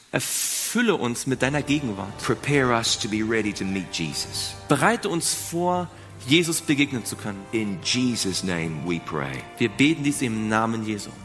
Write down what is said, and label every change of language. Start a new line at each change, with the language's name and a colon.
German: Erfülle uns mit deiner Gegenwart.
English: Prepare us to be ready to meet Jesus.
German: Bereite uns vor, Jesus begegnen zu können.
English: In Jesus' name we pray.
German: Wir beten dies im Namen Jesu.